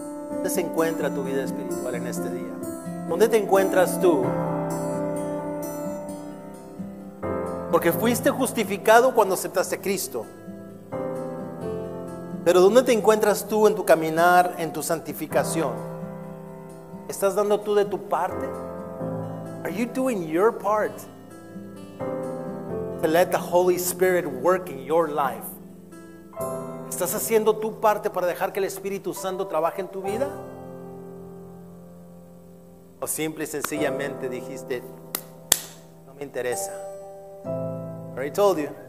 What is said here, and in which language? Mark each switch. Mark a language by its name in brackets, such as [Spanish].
[Spanish] ¿Dónde se encuentra tu vida espiritual en este día? ¿Dónde te encuentras tú? Porque fuiste justificado cuando aceptaste a Cristo. Pero ¿dónde te encuentras tú en tu caminar, en tu santificación? ¿Estás dando tú de tu parte? [English] Are you doing your part to let the Holy Spirit work in your life? [Spanish] ¿Estás haciendo tu parte para dejar que el Espíritu Santo trabaje en tu vida? ¿O simple y sencillamente dijiste, no me interesa? [English] I already told you.